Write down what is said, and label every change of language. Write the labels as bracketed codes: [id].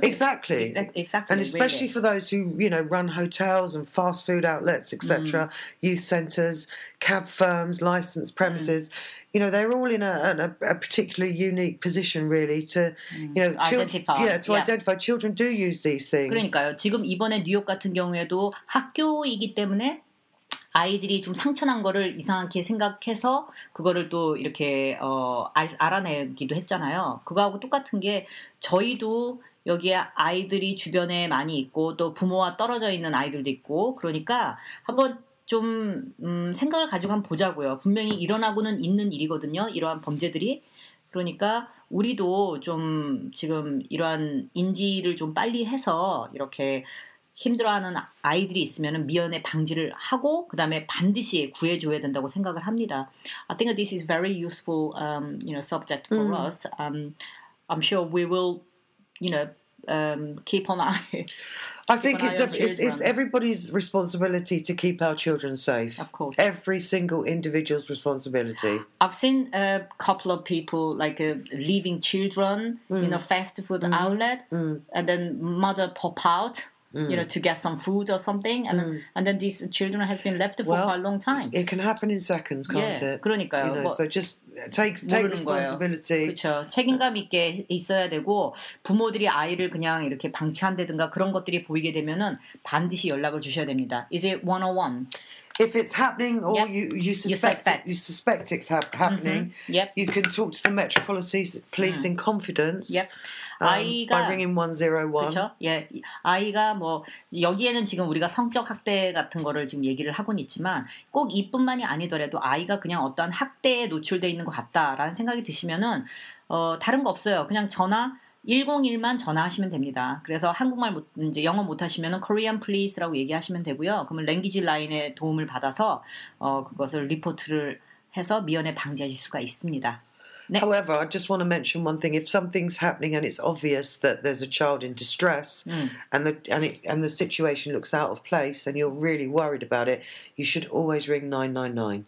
[en] Exactly. Exactly. And especially for those who, you know, run hotels and fast food outlets, etc., youth centres, cab firms, licensed premises, you know, they're all in a particularly unique position, really, to, you know, to identify. Children do use these things. [ko] 그러니까요. 지금 이번에 뉴욕 같은 경우에도 학교이기 때문에 아이들이 좀 상처난 거를 이상하게 생각해서 그거를 또 이렇게 알아내기도 했잖아요. 그거하고 똑같은 게 저희도 여기에 아이들이 주변에 많이 있고 또 부모와 떨어져 있는 아이들도 있고 그러니까 한번 좀 생각을 가지고 한번 보자고요. 분명히 일어나고는 있는 일이거든요. 이러한 범죄들이. 그러니까 우리도 좀 지금 이러한 인지를 좀 빨리 해서 이렇게 힘들어하는 아이들이 있으면 미연에 방지를 하고 그 다음에 반드시 구해줘야 된다고 생각을 합니다. [en] I think this is very useful, you know, subject for us. I'm sure we will, you know, keep on eye. I think it's everybody's responsibility to keep our children safe. Of course. Every single individual's responsibility. I've seen a couple of people like leaving children in a fast food outlet and then mother pop out. You know, to get some food or something, and and then these children has been left for quite a long time. It can happen in seconds, can't it? [ko] 그러니까요. [en] You know, so just take responsibility. [ko] 그렇죠. 책임감 있게 있어야 되고 부모들이 아이를 그냥 이렇게 방치한다든가 그런 것들이 보이게 되면은 반드시 연락을 주셔야 됩니다. [en] Is it 101? If it's happening or you suspect it's happening, you can talk to the Metropolitan Police in confidence. Yep. [ko] 아이가 [en] by ringing 101. [ko] 그렇죠? 예. 아이가 뭐 여기에는 지금 우리가 성적 학대 같은 거를 지금 얘기를 하고 있지만 꼭 이뿐만이 아니더라도 아이가 그냥 어떤 학대에 노출돼 있는 것 같다라는 생각이 드시면은 다른 거 없어요. 그냥 전화 101만 전화하시면 됩니다. 그래서 한국말 못 이제 영어 못 하시면은 Korean Police라고 얘기하시면 되고요. 그러면 랭귀지 라인의 도움을 받아서 그것을 리포트를 해서 미연에 방지하실 수가 있습니다. [en] However, I just want to mention one thing. If something's happening and it's obvious that there's a child in distress and the situation looks out of place and you're really worried about it, you should always ring 999.